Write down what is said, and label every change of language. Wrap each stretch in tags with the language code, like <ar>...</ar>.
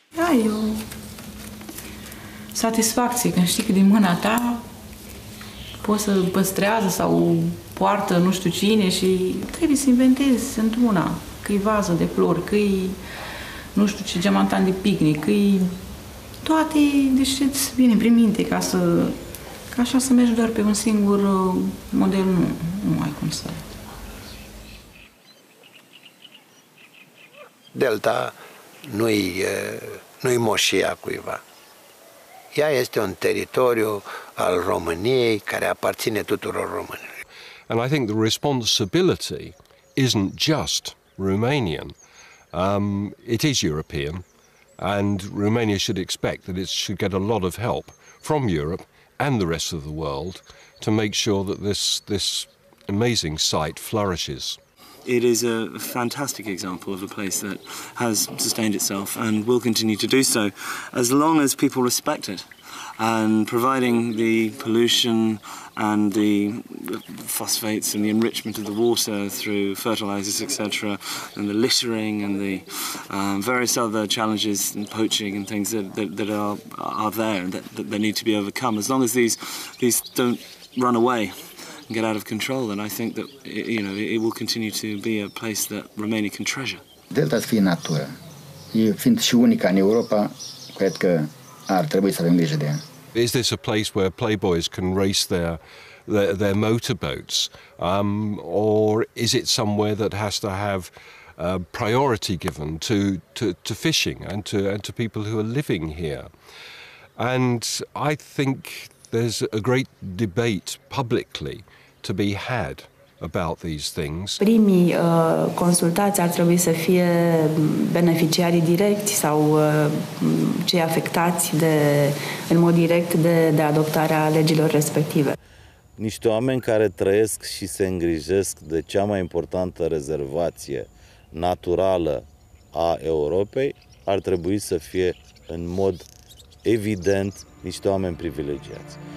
<ro>Ai o satisfacție când știi că din mâna ta poți să păstrează sau poartă nu știu cine și trebuie să inventezi într-una, că-i vază de flori, că-i nu știu ce geamantan de picnic, că-i toate, deci îți vine prin minte ca să, ca așa să mergi doar pe un singur model, nu ai cum să... Delta nu-i moșia cuiva. Ea este un teritoriu al României care aparține tuturor românilor.</ro> <en>And I think the responsibility isn't just Romanian. It is European, and Romania should expect that it should get a lot of help from Europe and the rest of the world to make sure that this amazing site flourishes. It is a fantastic example of a place that has sustained itself and will continue to do so as long as people respect it. And providing the pollution and the phosphates and the enrichment of the water through fertilizers, etc., and the littering and the various other challenges and poaching and things that are there that they need to be overcome, as long as these don't run away and get out of control, and I think that it will continue to be a place that Romania can treasure.</en> <ro>Delta fiind natură, fiind și unica în Europa, cred că ar trebui să avem grijă de ea.</ro> <en>Is this a place where playboys can race their motorboats, or is it somewhere that has to have priority given to fishing and to people who are living here? And I think there's a great debate publicly to be had about these things.</en> <ro>Primii consultați ar trebui să fie beneficiarii directi sau cei afectați de, în mod direct de adoptarea legilor respective. Niște oameni care trăiesc și se îngrijesc de cea mai importantă rezervație naturală a Europei ar trebui să fie în mod evident niște oameni privilegiați.</ro>